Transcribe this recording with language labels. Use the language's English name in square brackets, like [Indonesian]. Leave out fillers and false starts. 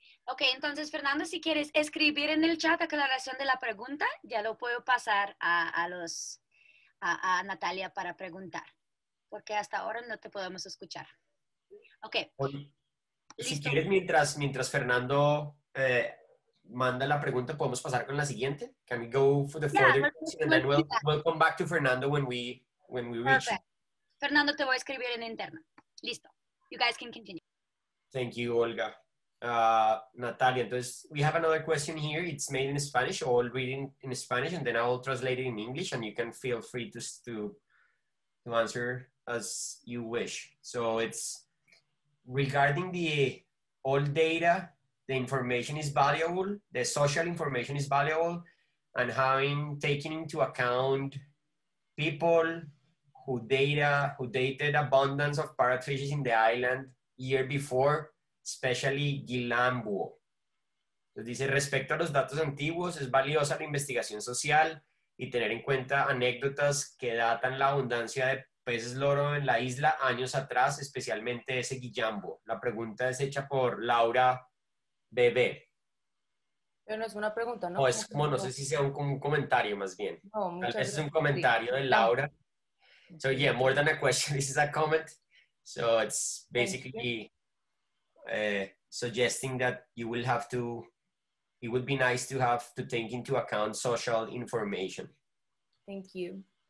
[Spanish] Ok, entonces, Fernando, si quieres escribir en el chat aclaración de la pregunta, ya lo puedo pasar a Natalia para preguntar, porque hasta ahora no te podemos escuchar. Ok. Oye, si quieres, mientras Fernando manda la pregunta, podemos pasar con la siguiente. [English] Can we go for the further question? And then we'll come back to Fernando when we reach. Perfect. [Spanish] Fernando, te voy a escribir en interno. Listo. [English] You guys can continue. Thank you, Olga. Natalia, entonces, we have another question here. It's made in Spanish. I'll read it in Spanish and then I'll translate it in English and you can feel free to answer as you wish. So it's regarding the old data, the information is valuable, the social information is valuable, and having taken into account people who dated abundance of parrotfishes in the island year before, especially Guillambo. [Spanish] Dice, respecto a los datos antiguos, es valiosa la investigación social y tener en cuenta anécdotas que datan la abundancia de peces loro en la isla años atrás, especialmente ese Guillambo. La pregunta es hecha por Laura Bebé. Pero no es una pregunta, ¿no? O es como, no sé si sea un comentario más bien. No, tal vez gracias. Es un comentario de Laura. [English] So yeah, more than a question, this is a comment. So it's basically suggesting that it would be nice to take into account social information. Thank you.